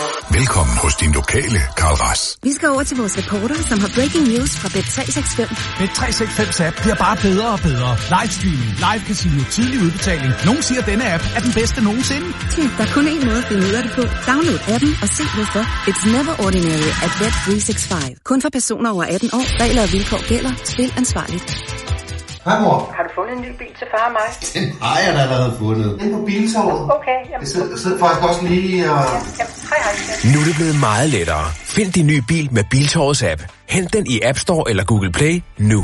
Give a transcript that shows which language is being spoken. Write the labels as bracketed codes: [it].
[da] Velkommen hos din lokale Carl Rask. Vi skal over til vores reporter, som har breaking news fra Bet365. Bet365-app bliver bare bedre og bedre. Livestreaming, live casino, tidlig udbetaling. Nogen siger, at denne app er den bedste nogensinde. Der er kun én måde at finde ud af det på. Download appen og se hvorfor. [en] It's never ordinary at bet 365. [da] Kun for personer over 18 år. Regler og vilkår gælder. Spil ansvarligt. Hej mor. Har du fundet en ny bil til far og mig? Den har jeg allerede fundet. Den på Biltorvet. Okay. Jamen. Jeg sidder faktisk også lige og... Hej. Nu er det blevet meget lettere. Find din nye bil med Biltorvets app. Hent den i App Store eller Google Play nu.